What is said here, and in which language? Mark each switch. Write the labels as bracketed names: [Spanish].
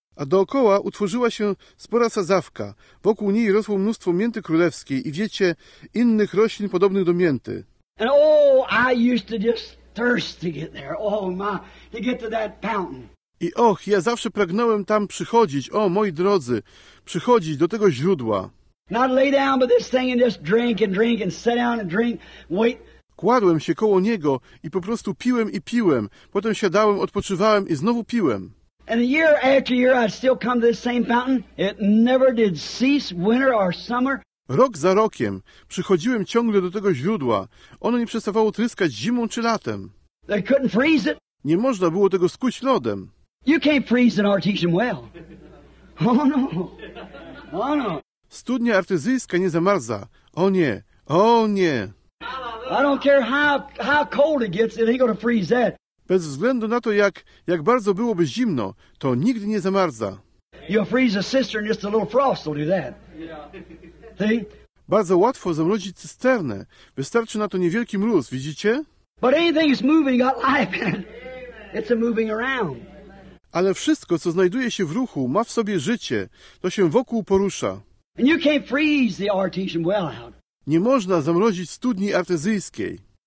[Polish] A dookoła utworzyła się spora sadzawka. Wokół niej rosło mnóstwo mięty królewskiej i wiecie, innych roślin podobnych do mięty. [English] And oh, I used to just thirst to get there. Oh my, to get to that fountain. [Polish] I och, ja zawsze pragnąłem tam przychodzić, o moi drodzy, przychodzić do tego źródła. [English] Not lay down by this thing and just drink and drink and sit down and drink, wait. [Polish] Kładłem się koło niego i po prostu piłem i piłem. Potem siadałem, odpoczywałem i znowu piłem. [English] And year after year I'd still come to the same fountain. It never did cease, winter or summer. [Polish] Rok za rokiem przychodziłem ciągle do tego źródła. Ono nie przestawało tryskać zimą czy latem. [English] They couldn't freeze it. [Polish] Nie można było tego skuć lodem. [English] You can't freeze an artesian well. Oh no. Oh no. [Polish] Studnia artezyjska nie zamarza. O nie. O nie. [English] I don't care how cold it gets, it ain't gonna freeze that. [Polish] Bez względu na to, jak bardzo byłoby zimno, to nigdy nie zamarza. [English] You'll freeze a cistern, just a little frost will do that. See? [Polish] Bardzo łatwo zamrozić cysternę. Wystarczy na to niewielki mróz, widzicie? [English] But anything that's moving got life in it. It's a moving around. [Polish] Ale wszystko, co znajduje się w ruchu, ma w sobie życie. To się wokół porusza. [English] And you can't freeze the artesian well out. [Polish] Nie można zamrozić studni artezyjskiej.